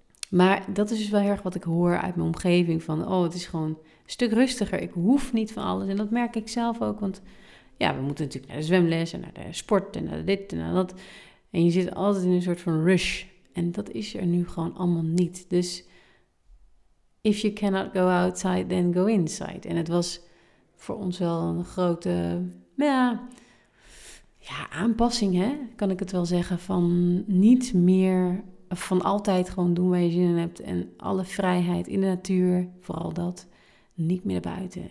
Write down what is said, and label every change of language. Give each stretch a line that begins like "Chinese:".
Dutch: Maar dat is dus wel heel erg wat ik hoor uit mijn omgeving. Van, oh, het is gewoon een stuk rustiger. Ik hoef niet van alles. En dat merk ik zelf ook. Want ja, we moeten natuurlijk naar de zwemles en naar de sport en naar dit en naar dat. En je zit altijd in een soort van rush. En dat is er nu gewoon allemaal niet. Dus
English: if you cannot go outside, then go inside.
Dutch: En het was voor ons wel een grote aanpassing, hè? Kan ik het wel zeggen, van niet meer van altijd gewoon doen waar je zin in hebt en alle vrijheid in de natuur, vooral dat, niet meer naar buiten.